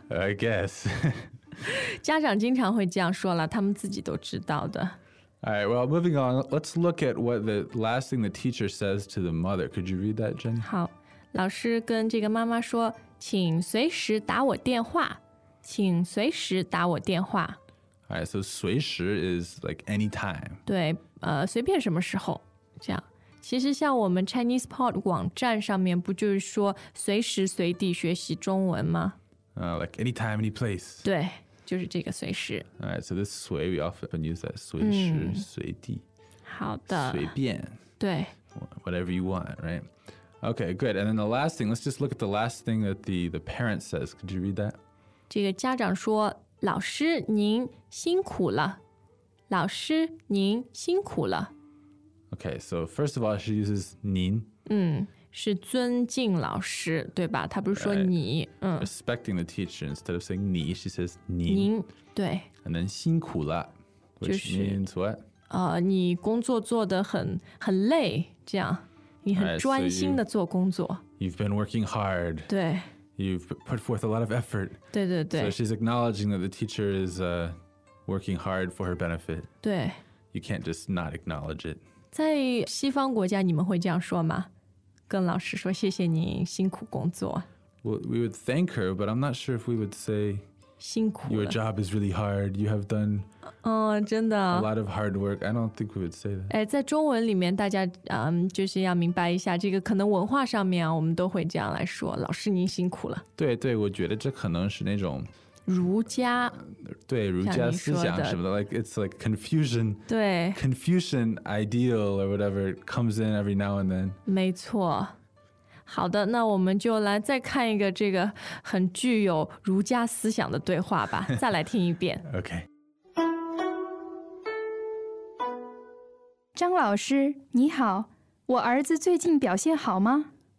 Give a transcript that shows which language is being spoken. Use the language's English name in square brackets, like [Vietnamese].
[English] I guess. [Chinese] 家长经常会这样说了，他们自己都知道的。 [English] All right, well, moving on, let's look at what the last thing the teacher says to the mother. Could you read that, Jenny? [Chinese] 好，老师跟这个妈妈说，请随时打我电话。请随时打我电话。 [English] All right, so 随时 is like anytime. [Chinese] 对，随便什么时候，这样。其实像我们 Chinese Pod 网站上面不就是说随时随地学习中文吗？ [English] Like anytime, any place. [Chinese] 对，就是这个随时。 [English] All right, so this 随 we often use that 随时随地。 [Chinese] 好的。随便。对。 [English] Whatever you want, right? Okay, good. And then the last thing, let's just look at the last thing that the parent says. Could you read that? [Chinese] 这个家长说老师您辛苦了老师您辛苦了 [English] Okay, so first of all, she uses 您 [Chinese] 是尊敬老师对吧她不是说你、 [English] right. Respecting the teacher instead of saying 你 she says 您, [Chinese] 您对 [English] And then 辛苦了 which、 [Chinese] 就是、 [English] means what?、 [Chinese] 你工作做得很累这样你很专心的做工作、 [English] right, so、you've been working hard [Chinese] 对 [English] You've put forth a lot of effort. [Chinese] 对对对。 [English] So she's acknowledging that the teacher is working hard for her benefit. [Chinese] 对。 [English] You can't just not acknowledge it. [Chinese] 在西方国家你们会这样说吗?跟老师说谢谢您辛苦工作。 [English] Well, we would thank her, but I'm not sure if we would say [Chinese] 辛苦了。 [English] Your job is really hard. You have done [Chinese] 真的。 [English] A lot of hard work. I don't think we would say that. [Chinese] 在中文里面大家就是要明白一下这个可能文化上面我们都会这样来说老师您辛苦了。对对我觉得这可能是那种。儒家。对儒家思想什么的。 [English] Like, it's like Confucian. [Chinese] 对。 [English] Confucian ideal or whatever comes in every now and then. [Chinese] 没错。好的那我们就来再看一个这个很具有儒家思想的对话吧再来听一遍。 [English] OK。 [Chinese] 张老师你好我儿子最近表现好吗